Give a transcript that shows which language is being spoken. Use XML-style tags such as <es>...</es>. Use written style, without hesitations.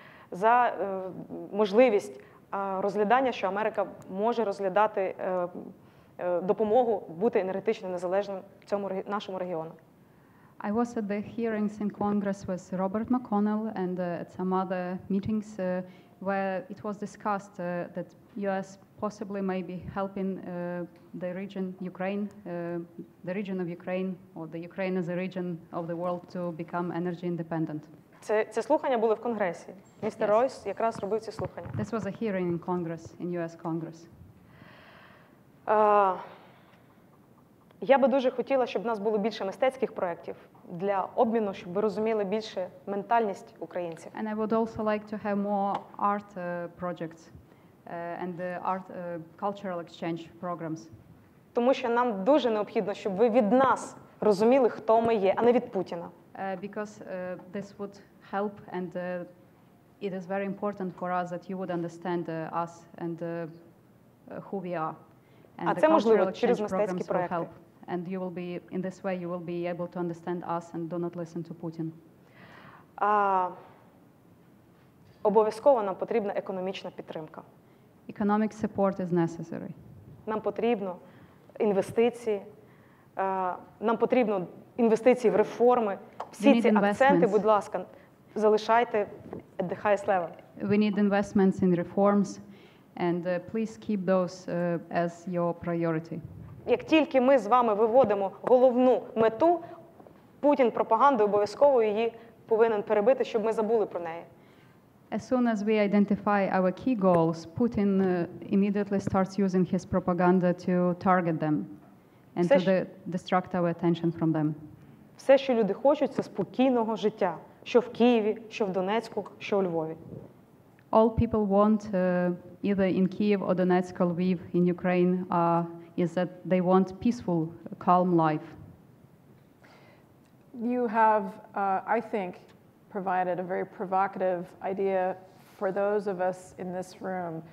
<uk>за можливість розглядання, що Америка може розглядати допомогу бути енергетично незалежним в цьому нашому регіону.</uk> <en>I was at the hearings in Congress with Robert McConnell and at some other meetings where it was discussed that US possibly may be helping the region Ukraine, the region of Ukraine or the Ukraine as a region of the world to become energy independent.</en> <uk>Це слухання були в Конгресі. Містер Ройс якраз робив ці слухання.</uk> <en>This was a hearing in Congress, in US Congress.</en> <uk>Я би дуже хотіла, щоб в нас було більше мистецьких проєктів для обміну, щоб ви розуміли більше ментальність українців.</uk> <en>And I would also like to have more art projects and the art cultural exchange programs.</en> <uk>Тому що нам дуже необхідно, щоб ви від нас розуміли, хто ми є, а не від Путіна.</uk> <en>Because this would help and it is very important for us that you would understand us and who we are. And</en> <uk>а це можливо через мистецькі проекти.</uk> <en>And you will be in this way you will be able to understand us and do not listen to Putin.</en> <uk>Обов'язково нам потрібна економічна підтримка.</uk> <en>Economic support is necessary.</en> <uk>Нам потрібно інвестиції. Нам потрібно інвестиції в реформи. Всі ці акценти, будь ласка, залишайте</uk> <en>at the highest level. We need investments in reforms. And please keep those as your priority.</en> <uk>Як тільки ми з вами виводимо головну мету, Путін пропагандою обов'язково її повинен перебити, щоб ми забули про неї.</uk> <en>As soon as we identify our key goals, Putin immediately starts using his propaganda to target them and</en> <uk>все,</uk> <en>to distract our attention from them.</en> <uk>Все, що люди хочуть, це спокійного життя, що в Києві, що в Донецьку, що у Львові.</uk> <en>All people want either in Kyiv or Donetsk or Lviv in Ukraine is that they want peaceful, calm life. You have, I think, provided a very provocative idea for those of us in this room.</en>